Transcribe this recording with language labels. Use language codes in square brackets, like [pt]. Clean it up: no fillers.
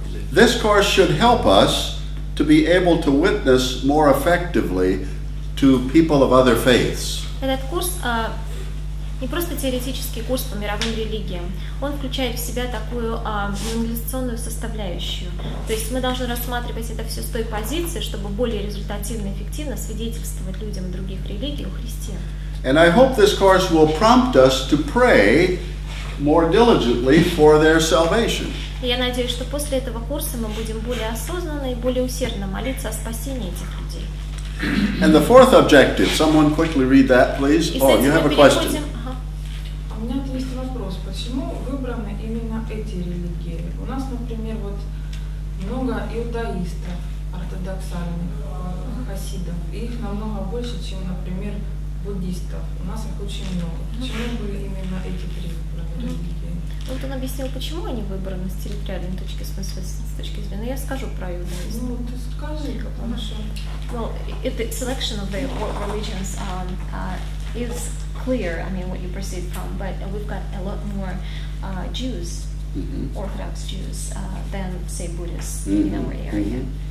[en] This course should help us to be able to witness more effectively to people of other faiths. [ru] Этот курс не просто теоретический курс по мировым религиям. Он включает в себя такую мотивационную составляющую. То есть мы должны рассматривать это все с той позиции, чтобы более результативно и эффективно свидетельствовать людям других религий о Христе. [en] And I hope this course will prompt us to pray more diligently for their salvation. [ru] Я надеюсь, что после этого курса мы будем более осознанно и более усердно молиться о спасении этих людей. [en] And the fourth objective. Someone quickly read that, please. Oh, you have a question. [ru] У меня есть вопрос. Почему выбраны именно эти религии? У нас, например, вот много иудаистов, ортодоксальных, хасидов. Их намного больше, чем, например, буддистов. У нас их очень много. Почему были именно эти три? Вот он объяснил, почему они выбраны с территориальной точки смысла, с точки зрения. Я скажу про иудаизм. Ну, ты скажи, хорошо. [en] Well, the selection of the religions is clear. I mean, what you proceed from, but we've got a lot more Jews, Orthodox Jews, than say Buddhists in our area.